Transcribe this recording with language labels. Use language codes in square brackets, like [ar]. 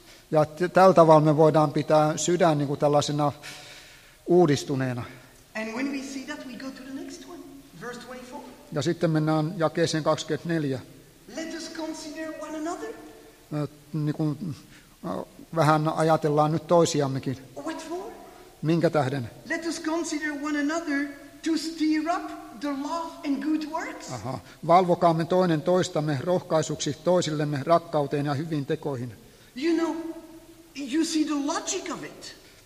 [fi] Ja tällä tavalla me voidaan pitää sydän niin kuin tällaisena uudistuneena. [en] And when we see that, we go to the next one, verse 24. [fi] Ja sitten mennään jakeeseen 24. [en] Let us consider one another. [fi] Niin kuin, vähän ajatellaan nyt toisiammekin. [en] What for? [fi] Minkä tähden? [en] Let us consider one another to stir up the love and good works. [fi] Aha. Valvokaamme toinen toistamme rohkaisuksi toisillemme rakkauteen ja hyviin tekoihin. [en] You know, you see the logic of it.